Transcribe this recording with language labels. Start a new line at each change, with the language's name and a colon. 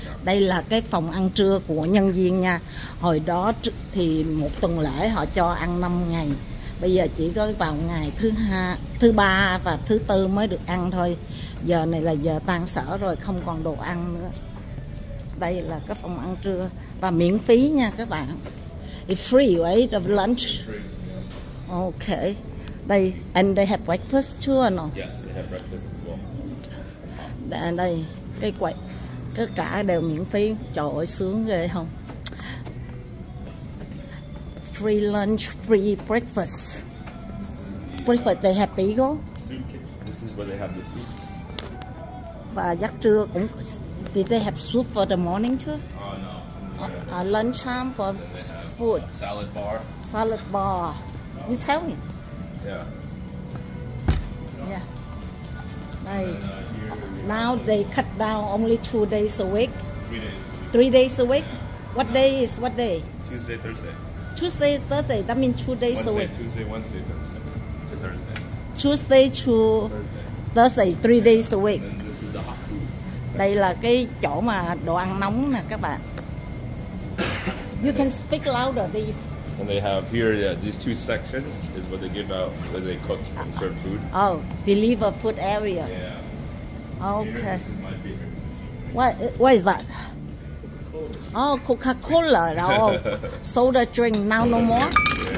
Vietnamese: Đây là cái phòng ăn trưa của nhân viên nha. Hồi đó thì một tuần lễ họ cho ăn 5 ngày. Bây giờ chỉ có vào ngày thứ ba và thứ tư mới được ăn thôi. Giờ này là giờ tan sở rồi, không còn đồ ăn nữa. Đây là cái phòng ăn trưa và miễn phí nha các bạn.
English: It's free, right? Of lunch. Okay. They and they have breakfast too or no? Yes, they have breakfast as well.
Vietnamese: And đây cái quầy tất cả đều miễn phí. Trời ơi, sướng ghê không?
English: Free lunch, free breakfast. Breakfast they have bagel. Soup kitchen. This is where they have the soup.
Vietnamese: Và giấc trưa cũng...
English: Did they have soup for the morning too? No. Lunch time for food. Salad bar. Salad bar. Oh. You tell me. Yeah. Yeah. Đây. Now they cut down only 2 days a week. 3 days. 3 days a week. What day is what day? Tuesday, Thursday. Tuesday, Thursday. That means 2 days Wednesday, a week. Tuesday, Wednesday, Thursday. It's a Tuesday to Thursday. 3 days a week. And this is the hot food.
Vietnamese: Đây là cái chỗ mà đồ ăn nóng nè các bạn.
English: You can speak louder. And they have here, yeah, these two sections is what they give out where they cook and serve food. Oh, deliver food area. Yeah. Okay. Here, this is my beer. What is that? Coca-Cola. Oh, Coca-Cola. Oh, soda drink. Now no more? Yeah.